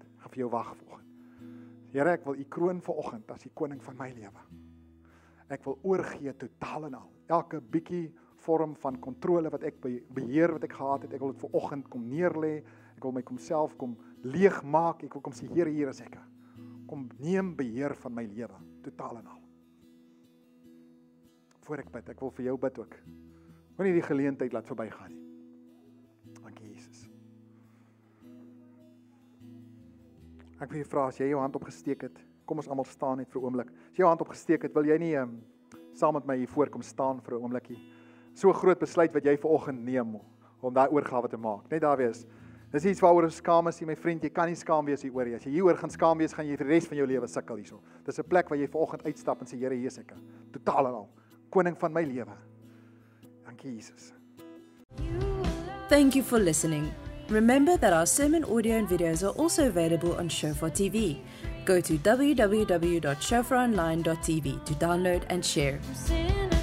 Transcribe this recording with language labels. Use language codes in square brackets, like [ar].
[af] Ek gaan vir jou wag vanoggend. Here, ek wil U kroon vanoggend as die koning van my lewe. Ek wil oorgee totaal en al. Elke bietjie vorm van kontrole wat ek beheer wat ek gehad het, ek wil dit vanoggend kom neerlê. Ek wil my komself kom leeg maak. Ek wil kom sê Here, hier is ek. Kom neem beheer van my lewe totaal en al. Voor ek bid, ek wil vir jou bid ook. Moenie die geleentheid laat verbygaan nie. Dankie Jesus. Ek wil jou vra as jy jou hand opgesteek het, kom ons almal staan net vir 'n oomblik. As jy jou hand opgesteek het, wil jy nie saam met my hier voorkom staan vir 'n oomblikie. So 'n groot besluit wat jy vanoggend neem om daai oorgawe te maak. Net daar wees. Dis iets waaroor ons skaam is, my vriend. Jy kan nie skaam wees hieroor nie. As jy hieroor gaan skaam wees, gaan jy vir die res van jou lewe sukkel hierso. Dis 'n plek waar jy vanoggend uitstap en sê Here Jesus, ek totaal en al koning van my lewe. Dankie Jesus. [en] Thank you for listening. Remember that our sermon audio and videos are also available on Shofar TV. Go to www.shofaronline.tv to download and share.